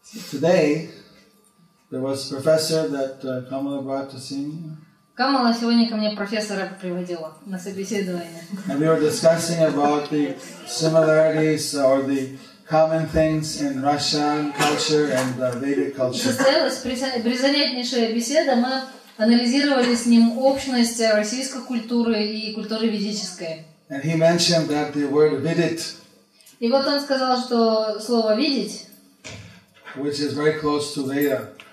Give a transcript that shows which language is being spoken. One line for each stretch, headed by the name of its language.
English: Today, there was a professor that Kamala brought to see me.
Russian: Камала сегодня ко мне профессора приводила на собеседование.
English: And we were discussing about the similarities or the common things in Russian culture and Vedic culture.
Russian: Состоялась призанятнейшая беседа. Мы анализировали с ним общность российской культуры и культуры ведической.
English: And he mentioned that the word vidit.
Russian: И вот он сказал, что слово видеть,
English: which is very close to Veda.